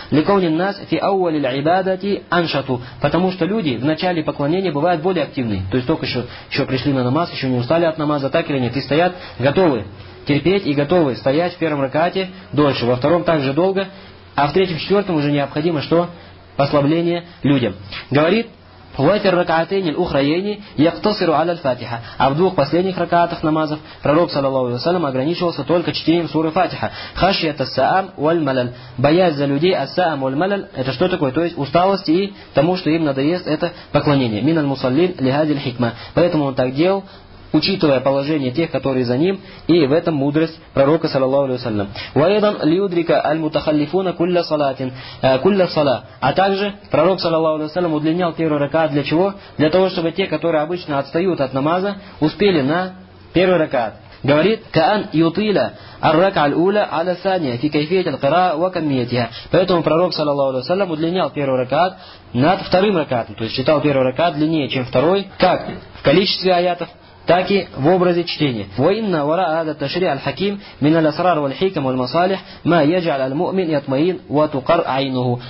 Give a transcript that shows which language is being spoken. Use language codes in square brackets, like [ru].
[ar] Ликауни нас фи ауали аль-ибадати аншату. [ru] Потому что люди в начале поклонения бывают более активны. То есть только еще пришли на намаз, еще не устали от намаза, так или нет. И стоят готовы терпеть и готовы стоять в первом ракаате дольше. Во втором также долго. А в третьем, четвертом уже необходимо что? Послабление людям. Говорит, [ar] وفي الركعتين الأخرين يقتصر على الفاتحة. [ru] А в двух последних ракаатах намазов пророк саллаллаху алейхи ва саллям ограничивался только чтением суры Фатиха. [ar] خشية السأم والملل. [ru] Боязнь за людей, [ar] السأم والملل, [ru] это что такое? То есть усталость и тому, что им надоест это поклонение. [ar] من المصلين لهذه الحكمة. [ru] Поэтому он так делал, учитывая положение тех, которые за ним, и в этом мудрость пророка саллаллаху алейхи ва саллям. [ar] وأيضًا ليدرك المتخلفون كل صلاة كل صلاة. [ru] А также пророк саллаллаху алейхи ва саллям удлинял первый ракаат для чего? Для того, чтобы те, которые обычно отстают от намаза, успели на первый ракаат. Говорит, [ar] كأن يطيل الركعة الأولى على الثانية في كيفية القراءة وكميتها. [ru] Поэтому пророк саллаллаху алейхи ва саллям удлинял первый ракаат над вторым ракаатом, то есть читал первый ракаат длиннее, чем второй. Как? В количестве аятов, так и в образе чтения. [ar] وَإِنَّ وَرَاءَ هَذَا التَّشْرِيعَ الْحَكِيمِ مِنَ الْأَسْرَارِ وَالْحِكَمِ وَالْمَصَالِحِ مَا يَجْعَلُ الْمُؤْمِنَ يَطْمَئِنُّ وَتُقَرُّ عَيْنُهُ.